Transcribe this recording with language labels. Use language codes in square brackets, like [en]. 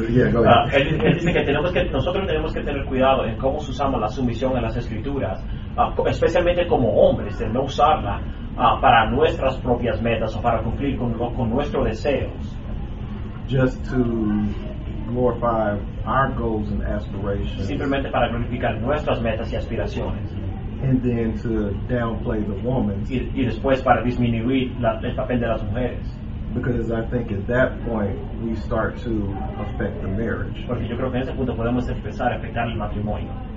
[es] Dice que tenemos que nosotros tenemos que tener cuidado en cómo usamos la sumisión en las escrituras, especialmente como hombres, de no usarla para nuestras propias metas o para cumplir con nuestros deseos. [en] Just to glorify our goals and aspirations. [es] Simplemente para glorificar nuestras metas y aspiraciones. [en] And then to downplay the woman. [es] Y después para disminuir el papel de las mujeres. [en] Because I think at that point we start to affect the marriage. [es] Porque yo creo que en ese punto podemos empezar a afectar el matrimonio.